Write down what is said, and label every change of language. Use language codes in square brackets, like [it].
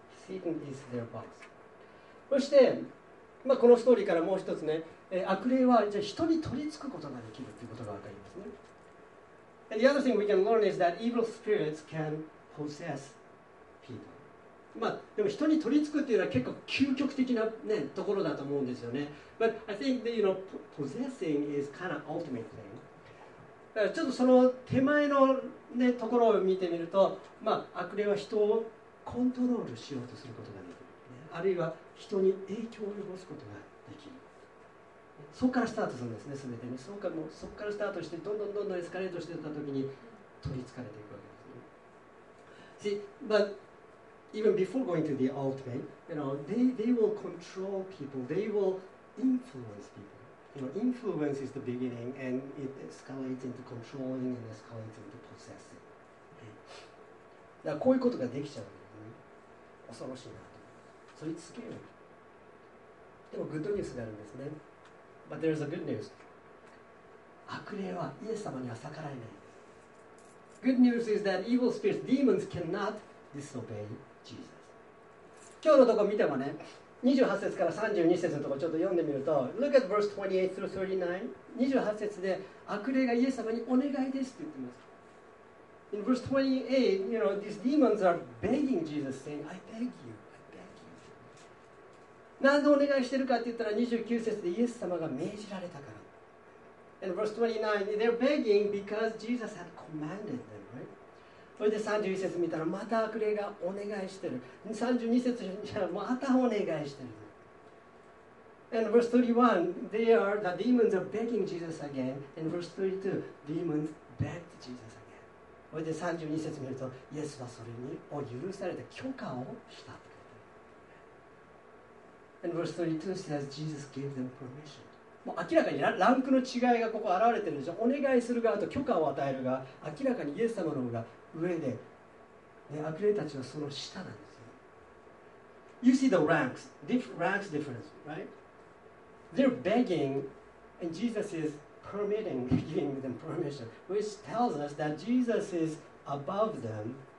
[en] Satan is their boss。 [ja] そして、まあ、このストーリーからもう一つね、悪霊はじゃあ人に取り付くことができるということが分かりますね。 [en] And the other thing we can learn is that evil spirits can possess people. [ja] まあでも人に取り付くっていうのは結構究極的なねところだと思うんですよね。 [en] But I think that, you know, possessing is kind of ultimate thing. [ja] ちょっとその手前のねところを見てみると、まあ悪霊は人をコントロールしようとすることができる、ね、あるいは人に影響を及ぼすことができる。そこからスタートするんですね、すべてに。そこからスタートして、どんどんどんどんエスカレートしていったときに取り憑かれていくわけですね。 [en] See, but even before going to the ultimate, you know, they will control people, they will influence people. You know, influence is the beginning, and it escalates into controlling and escalates into possessing. [ja] だからこういうことができちゃうんですね。恐ろしいなと。 [en] So it's scary. [ja] でもグッドニュースがあるんですね。 [en] But there's a good news. [ja] 悪霊はイエス様には逆らえない。 [en] Good news is that evil spirits, demons cannot disobey Jesus. [ja] 今日のところ見てもね、28節から32節のところちょっと読んでみると、 [en] Look at verse 28 through 39. [ja] 28節で悪霊がイエス様にお願いですって言ってます。 [en] In verse 28, you know, these demons are begging Jesus, saying, I beg you, I beg you. [ja] 何でお願いしてるかって言ったら、29節でイエス様が命じられたから。 [en] In verse 29, they're begging because Jesus had commanded them, right? [ja] それで31節見たらまた悪霊がお願いしてる。32節じゃまたお願いしてる。 [en] And verse 31, the demons are begging Jesus again. And verse 32, demons begged Jesus again. [ja] それで32節見ると、イエスはそれにお許された許可をした。 [en] And verse 32 says, Jesus gave them permission. [ja] もう明らかにランクの違いがここ現れてるんでしょ。お願いする側と許可を与える側、明らかにイエス様の方が上で、ね、悪霊たちはその下なんですよ。 [en] You see the ranks, ranks difference, right? They're begging, and Jesus is permitting, giving them permission, which tells us that Jesus is above them.